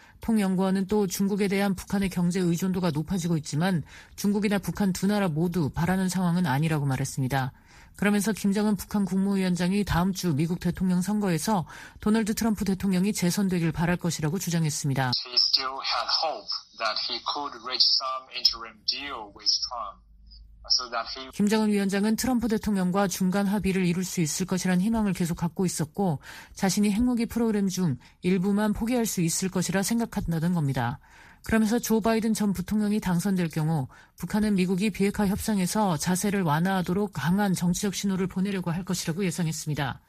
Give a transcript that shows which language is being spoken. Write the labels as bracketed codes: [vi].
[ko] 통연구원은 또 중국에 대한 북한의 경제 의존도가 높아지고 있지만 중국이나 북한 두 나라 모두 바라는 상황은 아니라고 말했습니다. 그러면서 김정은 북한 국무위원장이 다음 주 미국 대통령 선거에서 도널드 트럼프 대통령이 재선되길 바랄 것이라고 주장했습니다. [en] He still had hope that he could reach some interim deal with Trump. [ko] 김정은 위원장은 트럼프 대통령과 중간 합의를 이룰 수 있을 것이란 희망을 계속 갖고 있었고 자신이 핵무기 프로그램 중 일부만 포기할 수 있을 것이라 생각한다는 겁니다. 그러면서 조 바이든 전 부통령이 당선될 경우 북한은 미국이 비핵화 협상에서 자세를 완화하도록 강한 정치적 신호를 보내려고 할 것이라고 예상했습니다.